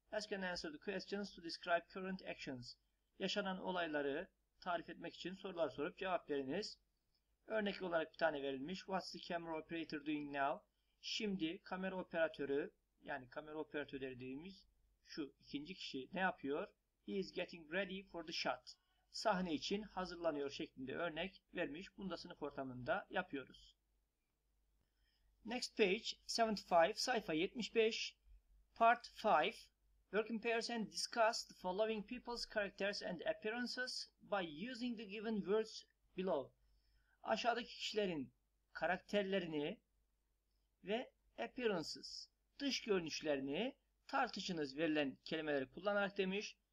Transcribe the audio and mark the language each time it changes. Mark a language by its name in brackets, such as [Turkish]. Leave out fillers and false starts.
[English] Ask and answer the questions to describe current actions. [Turkish] Yaşanan olayları tarif etmek için sorular sorup cevap veriniz. Örnek olarak bir tane verilmiş. [English] What's the camera operator doing now? [Turkish] Şimdi kamera operatörü, yani kamera operatörü dediğimiz şu ikinci kişi ne yapıyor? [English] He is getting ready for the shot. [Turkish] Sahne için hazırlanıyor şeklinde örnek vermiş. Bunu da sınıf ortamında yapıyoruz. [English] Next page 75, [Turkish] sayfa 75, [English] part 5. Work in pairs and discuss the following people's characters and appearances by using the given words below. [Turkish] Aşağıdaki kişilerin karakterlerini ve appearances, dış görünüşlerini tartışınız verilen kelimeleri kullanarak demiş.